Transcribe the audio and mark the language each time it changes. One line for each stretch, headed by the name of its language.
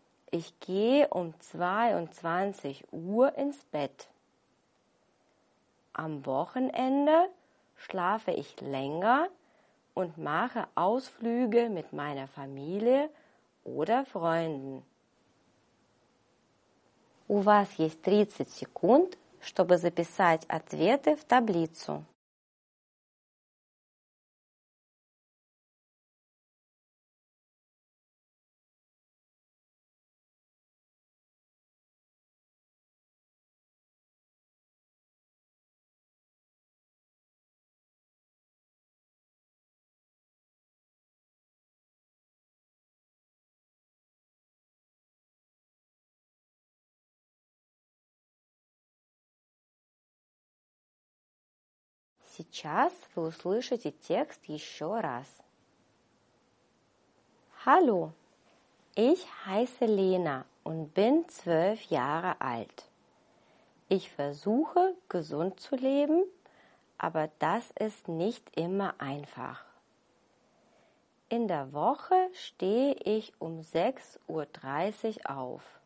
German: Ich gehe um 22 Uhr ins Bett. Am Wochenende schlafe ich länger und mache Ausflüge mit meiner Familie oder Freunden.
Russian: У вас есть 30 секунд, чтобы записать ответы в таблицу. Сейчас вы услышите текст еще раз.
German: Hallo, ich heiße Lena und bin 12 Jahre alt. Ich versuche, gesund zu leben, aber das ist nicht immer einfach. In der Woche stehe ich um 6.30 Uhr auf.